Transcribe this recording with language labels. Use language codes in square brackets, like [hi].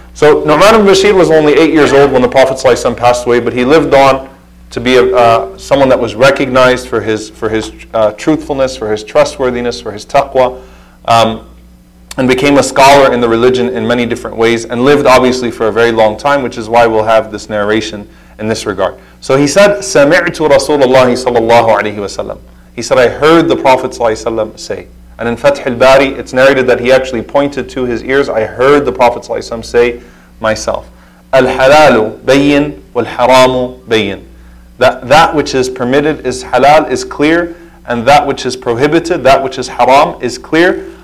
[en] So Nu'man ibn Bashir was only 8 years old when the Prophet ﷺ passed away, but he lived on to be someone that was recognized for his truthfulness, for his trustworthiness, for his taqwa, and became a scholar in the religion in many different ways, and lived obviously for a very long time, which is why we'll have this narration in this regard. So he said, [ar] سَمِعْتُ رَسُولَ اللَّهِ صَلَى اللَّهُ عَلَيْهِ وَسَلَّمْ. [en] He said, I heard the Prophet ﷺ say. And in Fath al-Bari, it's narrated that he actually pointed to his ears, I heard the Prophet ﷺ say myself. [ar] الْحَلَالُ بَيِّن وَالْحَرَامُ بَيِّن. [en] That which is permitted is halal, is clear, and that which is prohibited, that which is haram, is clear.